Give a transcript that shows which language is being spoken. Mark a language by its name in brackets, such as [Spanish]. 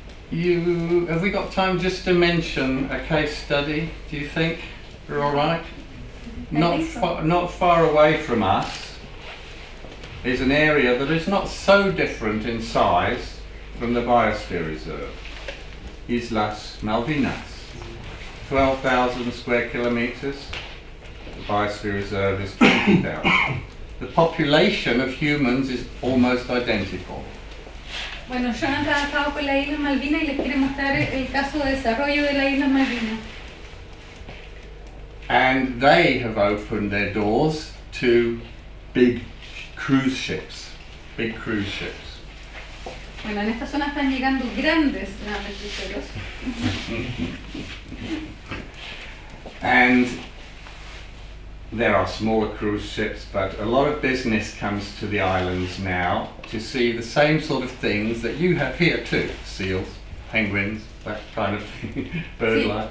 [English] Have we got time just to mention a case study, do you think? We're all right? Not far away from us is an area that is not so different in size from the Biosphere Reserve. Islas Malvinas, 12,000 square kilometers. The Biosphere Reserve is 20,000. The population of humans is almost identical. [Spanish] Bueno, yo he trabajado con la Isla Malvina y les quiero mostrar el caso de desarrollo de la Isla Malvina. [English] And they have opened their doors to big cruise ships. [Spanish] Bueno, en esta zona están llegando grandes naves cruceros. [English] And there are smaller cruise ships, but a lot of business comes to the islands now to see the same sort of things that you have here too. Seals, penguins, that kind of thing, bird life.